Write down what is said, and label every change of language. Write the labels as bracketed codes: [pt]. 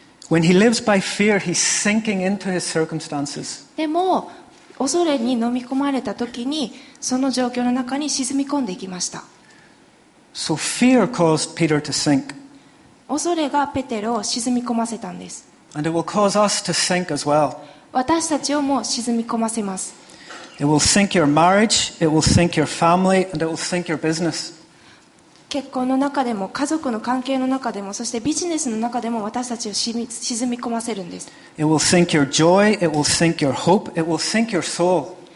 [en] When he lives by fear, he's sinking into his circumstances. [ja] でも恐れに飲み込まれた時にその状況の中に沈み込んでいきました。 [en] So fear caused Peter to sink. [ja] 恐れがペテロを沈み込ませたんです。 [en] And it will cause us to sink as well. [ja] 私たちをも沈み込ませます。 [en] It will sink your marriage, it will sink your family, and it will sink your business. [ja] 結婚の中でも家族の関係の中でもそしてビジネスの中でも私たちを沈み込ませるんです。 [en] It will sink your joy, it will sink your hope, it will sink your soul.